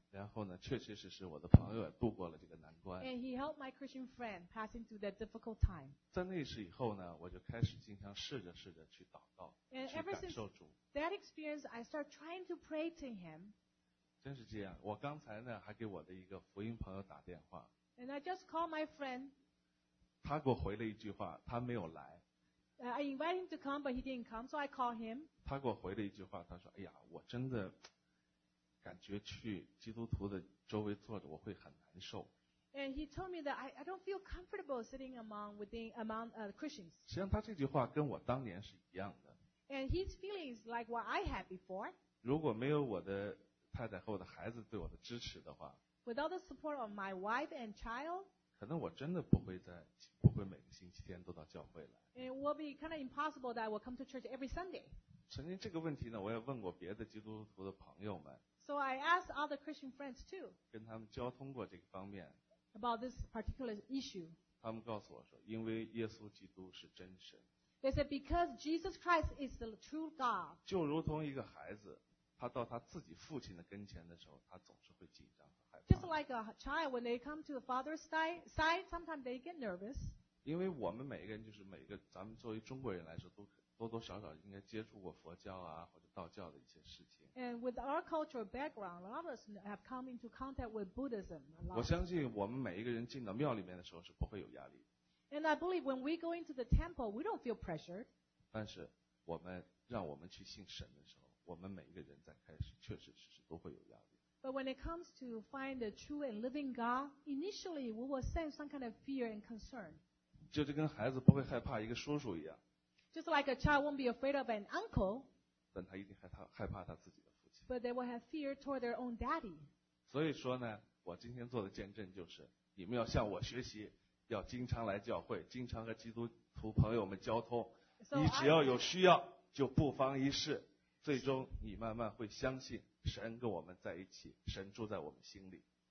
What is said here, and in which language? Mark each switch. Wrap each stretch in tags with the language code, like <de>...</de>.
<zh>然后呢，确确实实我的朋友也度过了这个难关。</zh> <en>And he helped my Christian friend passing through that difficult time.</en> <zh>在那时以后呢，我就开始经常试着去祷告，去感受主。</zh> <en>And ever since that experience, I start trying to pray to him.</en> <zh>真是这样，我刚才呢还给我的一个福音朋友打电话。</zh> <en>And I just called my friend.</en> <zh>他给我回了一句话，他没有来。</zh> <en>I invited him to come, but he didn't come, so I called him.</en> <zh>他给我回了一句话，他说：“哎呀，我真的感觉去基督徒的周围坐着我会很难受。”</zh> <en>And he told me that I don't feel comfortable sitting among Christians.</en> <zh>实际上，他这句话跟我当年是一样的。</zh> <en>And his feelings like what I had before.</en> <zh>如果没有我的太太和我的孩子对我的支持的话</zh> <en>，Without the support of my wife and child，</en> <zh>可能我真的不会每个星期天都到教会来。</zh> <en>It will be kind of impossible that I will come to church every Sunday。</en> <zh>曾经这个问题呢，我也问过别的基督徒的朋友们。</zh> <en>So I asked other Christian friends too。</en> <zh>跟他们交通过这个方面。</zh> <en>About this particular issue。</en> <zh>他们告诉我说，因为耶稣基督是真神。</zh> <en>They said because Jesus Christ is the true God。</en> <zh>就如同一个孩子。他到他自己父亲的跟前的时候，他总是会紧张和害怕。</zh> <en>Just like a child when they come to the father's side, sometimes they get nervous.</en> <zh>因为我们每一个人，就是每一个咱们作为中国人来说，都多多少少应该接触过佛教啊或者道教的一些事情。</zh> <en>And with our cultural background, a lot of us have come into contact with Buddhism.</en> <zh>我相信我们每一个人进到庙里面的时候是不会有压力。</zh> <en>And I believe when we go into the temple, we don't feel pressured.</en> <zh>但是我们让我们去信神的时候。我们每一个人在开始确实是都会有压力。</zh> <en>But when it comes to find the true and living God, initially we will sense some kind of fear and concern.</en> <zh>就跟孩子不会害怕一个叔叔一样。</zh> <en>Just like a child won't be afraid of an uncle.</en> <zh>但他一定害怕他自己的父亲。</zh> <en>But they will have fear toward their own daddy.</en> <zh>所以说呢，我今天做的见证就是，你们要向我学习，要经常来教会，经常和基督徒朋友们交通。你只要有需要，就不妨一试。最终你慢慢会相信神跟我们在一起，神住在我们心里。</zh>